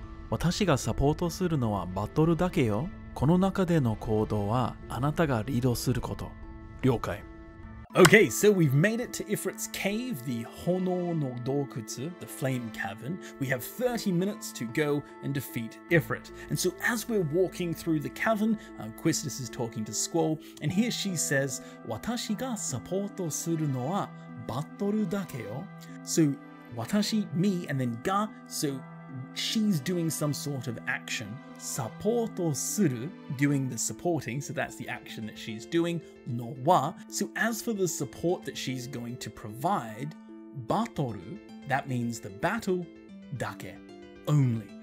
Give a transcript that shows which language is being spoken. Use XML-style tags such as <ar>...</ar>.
<ja>私がサポートするのはバトルだけよ。この中での行動はあなたがリードすること。了解。</ja> <en>Okay, so we've made it to Ifrit's cave, the Hono no Dokutsu, the flame cavern. We have 30 minutes to go and defeat Ifrit. And so as we're walking through the cavern, Quistus is talking to Squall, and here she says,</en> <ja>私がサポートするのはバトルだけよ。</ja> <en>So, 私, me, and then が, so,She's doing some sort of action.</en> <ja>Supporto suru,</ja> <en>doing the supporting, so that's the action that she's doing. No wa. So as for the support that she's going to provide, batoru, that means the battle, dake, only.</en>